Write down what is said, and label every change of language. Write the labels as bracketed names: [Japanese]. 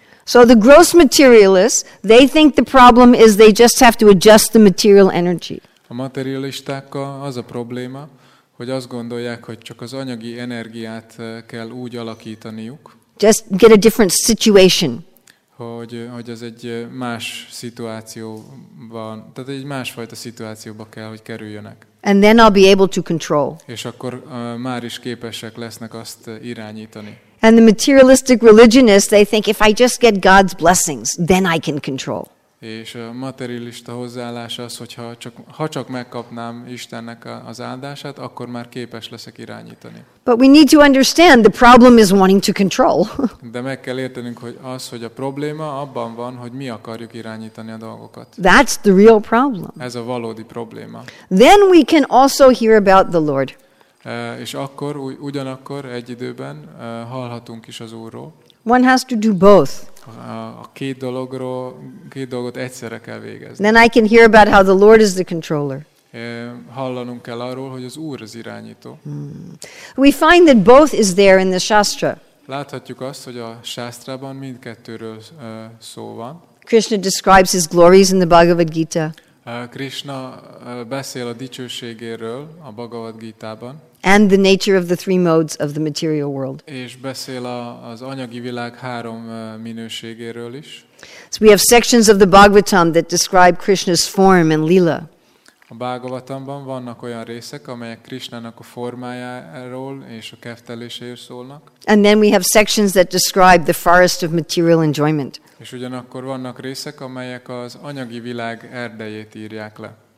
[English] So the gross materialists, they think the problem is they just have to adjust the material energy. [Hungarian] A materialistákkal az a probléma, hogy azt gondolják, hogy csak az anyagi energiát kell úgy alakítaniuk. [English] Just get a different situation. [Hungarian] Hogy az egy más szituációban, tehát egy másfajta szituációba kell, hogy kerüljenek. [English] And then I'll be able to control. [Hungarian] És akkor már is képesek lesznek azt irányítani. [English] And the materialistic religionists, they think if I just get God's blessings, then I can control. [Hungarian] És a materialista hozzáállás az, hogy ha csak megkapnám Istennek az áldását, akkor már képes leszek irányítani. [English] But we need to understand the problem is wanting to control. [Hungarian] De meg kell értenünk, hogy az, hogy a probléma abban van, hogy mi akarjuk irányítani a dolgokat. [English] That's the real problem. [Hungarian] Ez a valódi probléma. [English] Then we can also hear about the Lord. [Hungarian] És akkor ugyanakkor egy időben hallhatunk is az Úrról. [English] One has to do both. [Hungarian] A két dolgot egyszerre kell végezni. [English] Then I can hear about how the Lord is the controller. [Hungarian] Hallanunk kell arról, hogy az Úr az irányító. [English] We find that both is there in the Shastra. [Hungarian] Láthatjuk azt, hogy a Shastrában mindkettőről szó van. [English] Krishna describes his glories in the Bhagavad Gita. [Hungarian] Krishna beszél a dicsőségéről a Bhagavad Gita-ban. [English] And the nature of the three modes of the material world. [Hungarian] És beszél az anyagi világ három minőségéről is. [English] So we have sections of the Bhagavatam that describe Krishna's form and lila. [Hungarian] A Bhagavatamban vannak olyan részek, amelyek Krishnának a formájáról és a kefteléséről szólnak. [English] And then we have sections that describe the forest of material enjoyment. [Hungarian] És ugyanakkor vannak részek, amelyek az anyagi világ erdejét írják le.